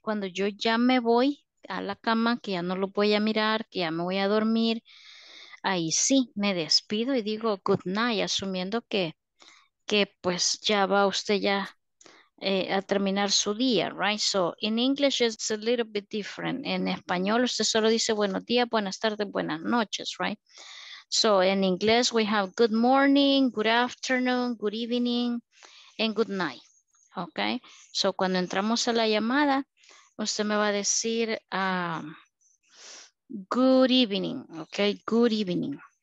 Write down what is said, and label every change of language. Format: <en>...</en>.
<es>Cuando yo ya me voy a la cama, que ya no lo voy a mirar, que ya me voy a dormir, ahí sí me despido y digo</es> <en>good night,</en> <es>asumiendo que pues ya va usted ya a terminar su día, right?</es> <en>So in English it's a little bit different.</en> <es>En español usted solo dice buenos días, buenas tardes, buenas noches, right?</es> <en>So in English we have good morning, good afternoon, good evening, and good night. Okay?</en> <es>So cuando entramos a la llamada, usted me va a decir</es> <en>good evening, okay? Good evening.</en>